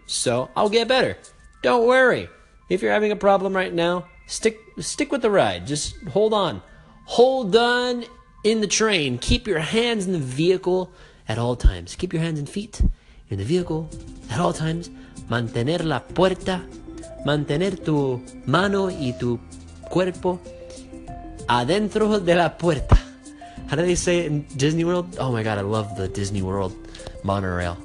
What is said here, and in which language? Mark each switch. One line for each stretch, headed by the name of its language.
English: So I'll get better. Don't worry. If you're having a problem right now, Stick with the ride. Just hold on. Hold on in the train. Keep your hands in the vehicle at all times. Keep your hands and feet in the vehicle at all times.
Spanish: Mantener la puerta. Mantener tu mano y tu cuerpo adentro de la puerta.
English: How do they say it in Disney World? Oh my God, I love the Disney World monorail.